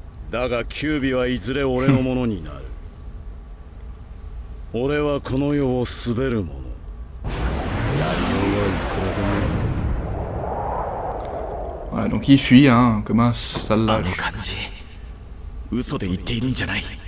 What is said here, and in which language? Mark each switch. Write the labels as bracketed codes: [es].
[ja] だがキュービーはいずれ俺のものになる。俺はこの世を滑るもの。やりようはいくらでも。 [fr] Voilà, donc il fuit, hein, comme un sale lâche. [ja] あの感じ、嘘で言っているんじゃない。